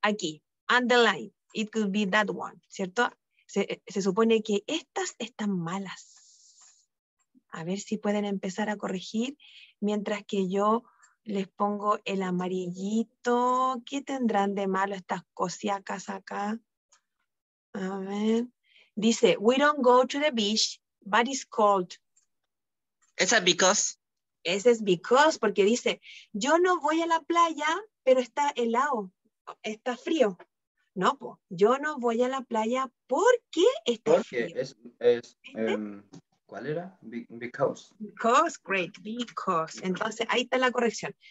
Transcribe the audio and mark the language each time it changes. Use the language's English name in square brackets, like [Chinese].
[English] Aquí, underline. It could be that one, ¿cierto? [Spanish] Se supone que estas están malas. A ver si pueden empezar a corregir mientras que yo les pongo el amarillito. ¿Qué tendrán de malo estas cosiacas acá? A ver. [English] Dice, we don't go to the beach, but it's cold. [Spanish] Ese es because, porque dice, yo no voy a la playa, pero está helado, está frío. No, po, yo no voy a la playa porque está porque frío. ¿Cuál era? Because. Because, great. Entonces, ahí está la corrección.